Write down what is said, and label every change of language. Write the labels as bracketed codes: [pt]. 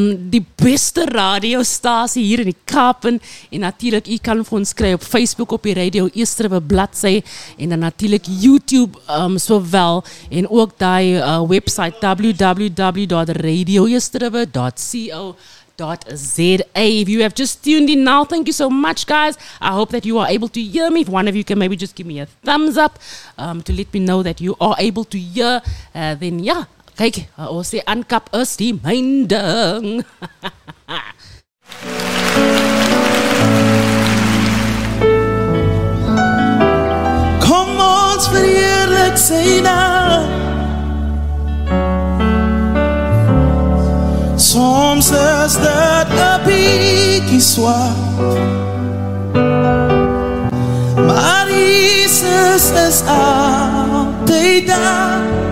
[af] die beste radiostasie hier in die Kaap. En natuurlijk, u kan vir ons kry op Facebook, op die radio, Eerstribe bladsy, en dan natuurlijk YouTube sowel, en ook die website www.radioeerstribe.co.za. [en] If you have just tuned in now, thank you so much, guys. I hope that you are able to hear me. If one of you can maybe just give me a thumbs up to let me know that you are able to hear, then yeah. [af] Kyk, ons sê aankap is die myn ding. Kom ons verheerlik sy naam. Soms is dit een bietjie swaar, maar Jesus is altyd daar.